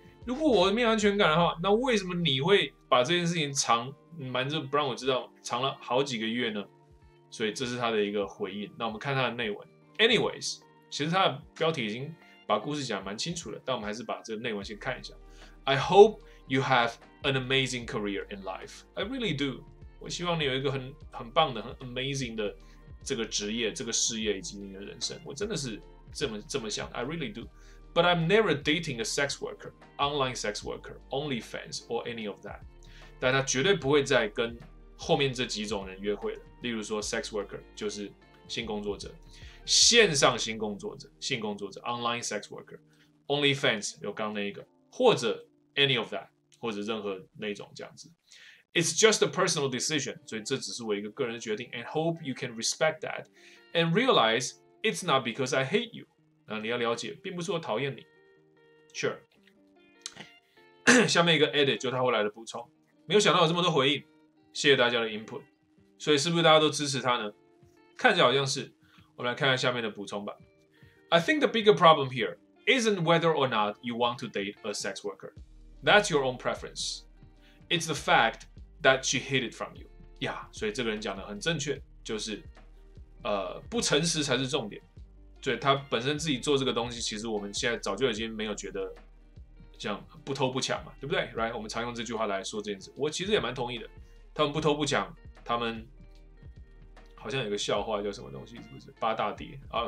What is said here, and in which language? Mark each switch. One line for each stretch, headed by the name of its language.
Chinese: 如果我没有安全感的话，那为什么你会把这件事情瞒着不让我知道，藏了好几个月呢？所以这是他的一个回应。那我们看他的内文。Anyways， 其实他的标题已经把故事讲得蛮清楚了，但我们还是把这个内文先看一下。
English: I hope you have an amazing career in life. I really do.
Chinese: 我希望你有一个很棒的、很 amazing 的这个职业、这个事业以及你的人生。我真的是这么想 ，
English: I really do。 But I'm never dating a sex worker, online sex worker, OnlyFans or any of that。
Chinese: 但他绝对不会再跟后面这几种人约会了。例如说 ，sex worker 就是性工作者，线上性工作者，性工作者 ，
English: online sex worker,
Chinese: OnlyFans 有刚那一个，或者
English: any of that，
Chinese: 或者任何那种这样子。
English: It's just a personal decision，
Chinese: 所以这只是我一个个人的决定。
English: And hope you can respect that and realize it's not because I hate you。
Chinese: 你要了解，并不是我讨厌你。 Sure 。 下面一个 edit 就他后来的补充，没有想到有这么多回应，谢谢大家的 input。所以是不是大家都支持他呢？看起来好像是。我们来看看下面的补充吧。
English: I think the bigger problem here isn't whether or not you want to date a sex worker. That's your own preference. It's the fact that she hid it from you.
Chinese: Yeah， 所以这个人讲的很正确，就是不诚实才是重点。对他本身自己做这个东西，其实我们现在早就已经没有觉得像不偷不抢嘛，对不对 ？
English: Right，
Chinese: 我们常用这句话来说这件事，我其实也蛮同意的。他们不偷不抢，他们好像有个笑话叫什么东西，是不是八大爹啊？